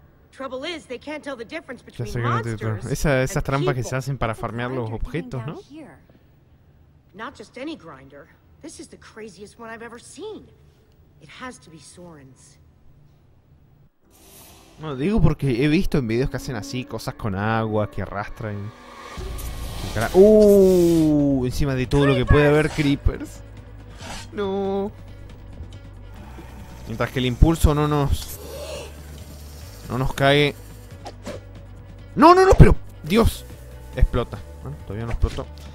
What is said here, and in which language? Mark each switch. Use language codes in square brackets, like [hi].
[en] Trouble is, they can't tell the difference between monsters. [es] Esas trampas que se hacen para farmear los objetos, ¿no? [en] Not just any grinder. This is the craziest one I've ever seen. It has to be Soren's. [es] No, digo porque he visto en videos que hacen así, cosas con agua, que arrastran. Encima de todo lo que puede haber, creepers. No. Mientras que el impulso no nos cae. No, pero... Dios. Explota. Bueno, todavía no explotó.